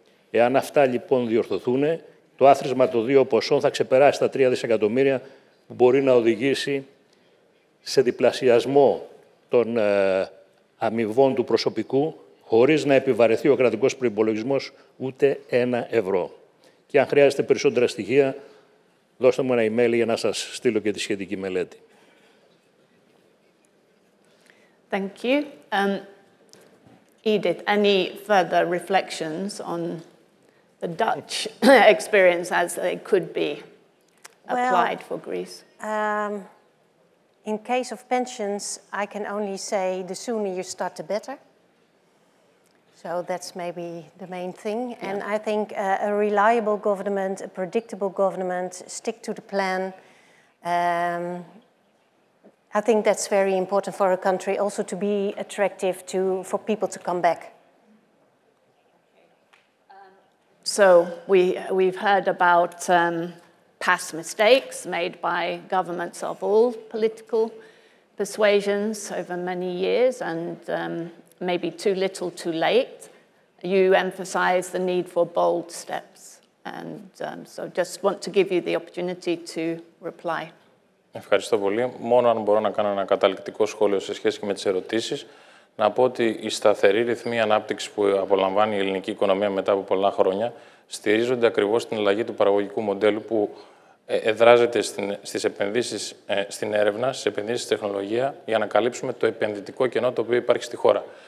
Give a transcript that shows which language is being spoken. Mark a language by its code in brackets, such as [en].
[el] Εάν αυτά λοιπόν διορθωθούν, το άθροισμα των 2 ποσών θα ξεπεράσει τα 3 δισεκατομμύρια, που μπορεί να οδηγήσει σε διπλασιασμό των αμοιβών του προσωπικού, χωρίς να επιβαρεθεί ο κρατικός προϋπολογισμός ούτε ένα ευρώ. Και αν χρειάζεται περισσότερα στοιχεία, δώστε μου ένα email για να σας στείλω και τη σχετική μελέτη. [en] Thank you. Edith, any further reflections on the Dutch experience as it could be applied for Greece? In case of pensions, I can only say the sooner you start, the better. So that's maybe the main thing. Yeah. And I think a reliable government, a predictable government, stick to the plan. I think that's very important for a country also to be attractive to for people to come back. So we've heard about past mistakes made by governments of all political persuasions over many years, and maybe too little too late. You emphasize the need for bold steps. And so just want to give you the opportunity to reply. [el] Ευχαριστώ πολύ. Μόνο αν μπορώ να κάνω ένα καταληκτικό σχόλιο σε σχέση και με τις ερωτήσεις, να πω ότι η σταθερή ρυθμή ανάπτυξη που απολαμβάνει η ελληνική οικονομία μετά από πολλά χρόνια στηρίζονται ακριβώς στην αλλαγή του παραγωγικού μοντέλου που εδράζεται στις επενδύσεις στην έρευνα, στις επενδύσεις στη τεχνολογία, για να καλύψουμε το επενδυτικό κενό το οποίο υπάρχει στη χώρα.